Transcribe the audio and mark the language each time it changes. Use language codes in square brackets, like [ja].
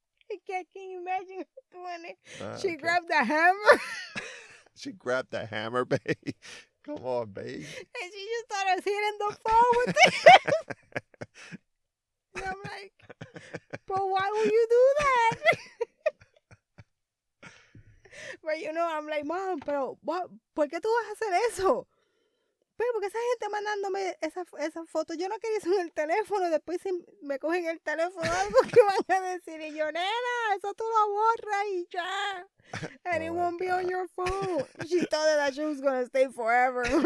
[en] I can't imagine her doing it. She grabbed the hammer. She grabbed the hammer, babe. Come on, babe. And she just thought I was hitting the phone with it. And I'm like, bro, why would you do that? But you know, I'm like, mom, [es] pero, ¿por qué tú vas a hacer eso? Pero porque esa gente mandándome esa foto, yo no quería eso en el teléfono. Después si me cogen el teléfono, algo que van a decir. Y yo, nena, eso tú lo borras y ya. [en] And it won't be on your phone. She thought that she was going to stay forever.